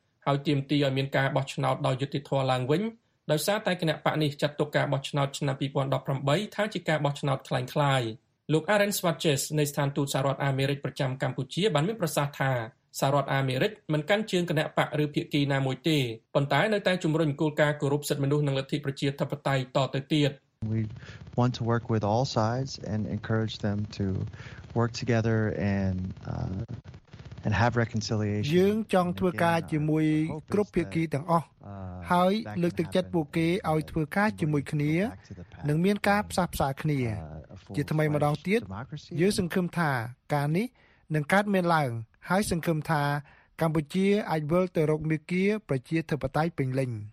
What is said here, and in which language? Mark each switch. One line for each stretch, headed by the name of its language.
Khmer: ហើយទាមទារឲ្យមានការបោះឆ្នោតដោយយុត្តិធម៌ឡើងវិញដោយសារតែគណៈបក្សនេះចាត់ទុកការបោះឆ្នោតឆ្នាំ2018ថាជាការបោះឆ្នោតក្លែងក្លាយលោក Aaron Swatches នៃស្ថានទូតសហរដ្ឋអាមេរិកប្រចាំកម្ពុជាបានមានប្រសាសន៍ថាសហរដ្ឋអាមេរិកមិនកាន់ជើងគណៈបក្សឬភាគីណាមួយទេប៉ុន្តែនៅតែជំរុញគោលការណ៍គោរពសិទ្ធិមនុស្សនិងលទ្ធិប្រជាធិបតេយ្យតទៅទៀត
English: want to work with all sides and encourage them to work together and have reconciliation
Khmer: យើងចង់ធ្វើការជាមួយគ្រប់ភាគីទាំងអស់ហើយលើកទឹកចិត្តពួកគេឲ្យធ្វើការជាមួយគ្នានិងមានការផ្សះផ្សាគ្នាជាថ្មីម្ដងទៀតយើងសង្ឃឹមថាការនេះនឹងកើតមានឡើងហើយសង្ឃឹមថាកម្ពុជាអាចវិលទៅរកមាគាប្រជាធិបតេយ្យពេញលេញ